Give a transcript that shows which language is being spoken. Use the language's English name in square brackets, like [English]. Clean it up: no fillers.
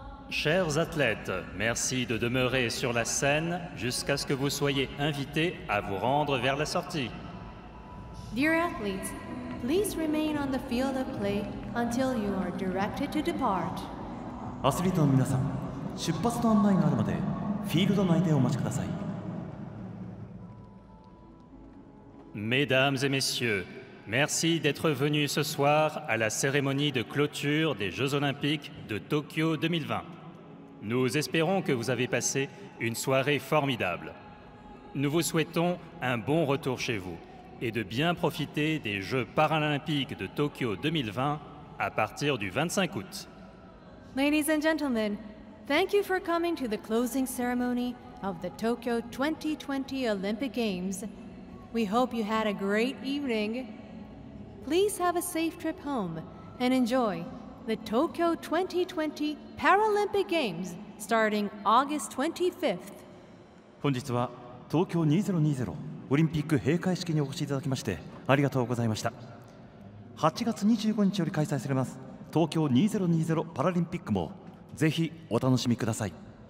[French] Chers athlètes, merci de demeurer sur la scène jusqu'à ce que vous soyez invités à vous rendre vers la sortie. [English] Dear athletes, please remain on the field of play until you are directed to depart. [Japanese] アスリートの皆さん、出発の案内があるまでフィールド内でお待ちください。 [French] Mesdames et messieurs, merci d'être venus ce soir à la cérémonie de clôture des Jeux Olympiques de Tokyo 2020. Nous espérons que vous avez passé une soirée formidable. Nous vous souhaitons un bon retour chez vous et de bien profiter des Jeux Paralympiques de Tokyo 2020 à partir du 25 août. [English] Ladies and gentlemen, thank you for coming to the closing ceremony of the Tokyo 2020 Olympic Games. We hope you had a great evening. Please have a safe trip home and enjoy the Tokyo 2020 Paralympic Games starting August 25th. [Japanese] 本日は東京2020オリンピック閉会式にお越しいただきましてありがとうございました。 8月25日より開催されます東京2020パラリンピックもぜひお楽しみください。